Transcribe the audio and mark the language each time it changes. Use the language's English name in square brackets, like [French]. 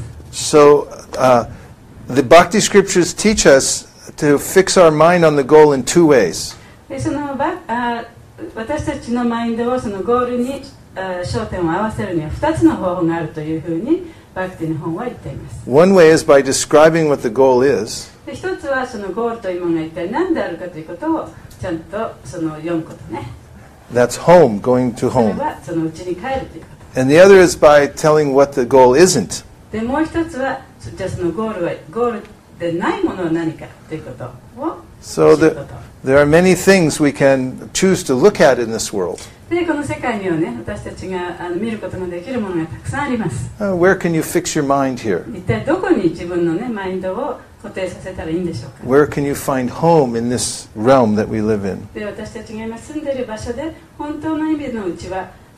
[English] So, the bhakti scriptures teach us to fix our mind on the goal in two ways. [Japanese] でその私たちのマインドをそのゴールに焦点を合わせるには二つの方法があるというふうにバクティの本は言っています。 [English] One way is by describing what the goal is. [Japanese] で、一つはそのゴールというものが一体何であるかということをちゃんとその読むことね。 [English] That's home, going to home. [Japanese] それはその家に帰るということ。 [English] And the other is by telling what the goal isn't. [Japanese] で、もう一つは、じゃあそのゴールでないものは何かということを知ること。 [English] So there are many things we can choose to look at in this world. [Japanese] で、この世界にはね、私たちが見ることができるものがたくさんあります。 [English] Where can you fix your mind here? [Japanese] 一体どこに自分のね、マインドを固定させたらいいんでしょうか。 [English] Where can you find home in this realm that we live in? [Japanese] で、私たちが今住んでいる場所で、本当の意味のうちは、